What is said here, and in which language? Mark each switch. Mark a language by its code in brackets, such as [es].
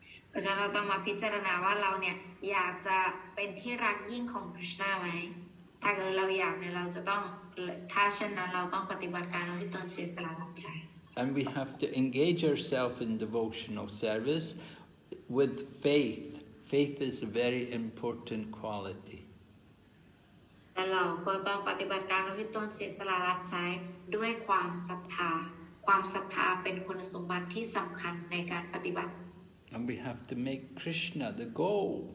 [th] เพราะฉะนั้นเราต้องมาพิจารณาว่าเราเนี่ยอยากจะเป็นที่รักยิ่งของคริสต์ไหมถ้าเกิดเราอยากเนี่ยเราจะต้องถ้าเช่นนั้นเราต้องปฏิบัติการที่ตนเสียสละรับใช้ [en] And we have to engage ourselves in devotional service with faith. Faith is a very important quality. [th] และเราก็ต้องปฏิบัติการที่ตนเสียสละรับใช้ด้วยความศรัทธาความศรัทธาเป็นคุณสมบัติที่สำคัญในการปฏิบัติ [en] And we have to make Krishna the goal.